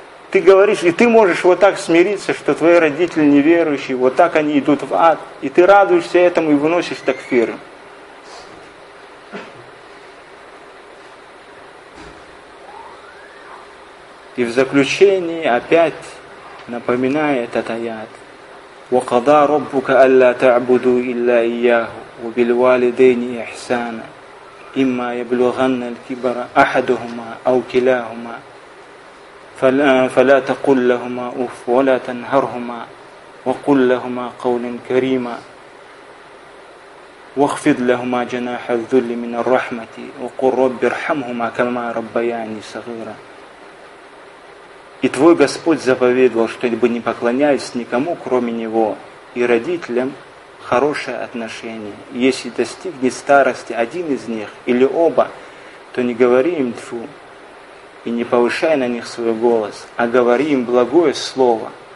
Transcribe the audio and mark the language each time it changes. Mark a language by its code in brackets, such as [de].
[ru] Ты говоришь, и ты можешь вот так смириться, что твои родители неверующие, вот так они идут в ад, и ты радуешься этому и выносишь такфир. И в заключении опять напоминаю этот аят. [ar] وَقَضَى رَبُّكَ أَلَّا تَعْبُدُوا إِلَّا إِيَّاهُ وَبِالْوَالِدَيْنِ إِحْسَانًا إما يبلغن الكبر أحدهما أو كلاهما فلا تقل لهما أف ولا تنهرهما وقل لهما قولا كريما واخفض لهما جناح الذل من الرحمة وقل رب ارحمهما كما ربياني صغيرا. [ru] И твой Господь заповедовал, чтобы не поклонялись никому, кроме Него, и родителям хорошее отношение. Если достигнет старости один из них или оба, то не говори им тьфу и не повышай на них свой голос, а говори им благое слово.